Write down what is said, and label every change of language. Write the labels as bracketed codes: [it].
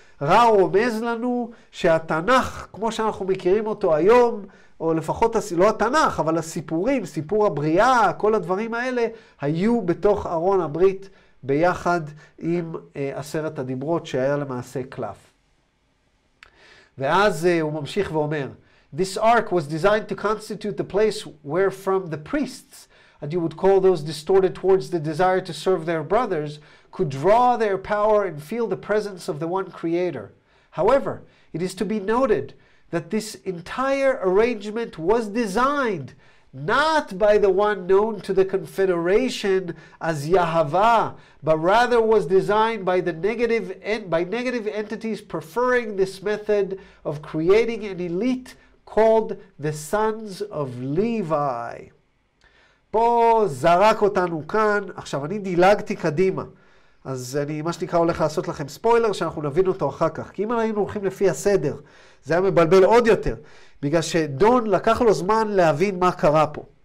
[he] רע רומז לנו שהתנ"ך, כמו שאנחנו מכירים אותו היום, או לפחות, לא התנ"ך, אבל הסיפורים, סיפור הבריאה, כל הדברים האלה, היו בתוך ארון הברית, ביחד עם עשרת הדיברות, שהיה למעשה קלף. ואז הוא ממשיך ואומר, [en] "This ark was designed to constitute the place where from the priests, and you would call those distorted towards the desire to serve their brothers, could draw their power and feel the presence of the one creator. However, it is to be noted that this entire arrangement was designed not by the one known to the confederation as Yahweh, but rather was designed by the negative and by negative entities preferring this method of creating an elite called the sons of Levi." [he] פה זרק אותנו כאן, עכשיו אני דילגתי קדימה, אז אני מה שנקרא הולך לעשות לכם ספוילר שאנחנו נבין אותו אחר כך, כי אם היינו הולכים לפי הסדר, זה היה מבלבל עוד יותר, בגלל שדון לקח לו זמן להבין מה קרה פה.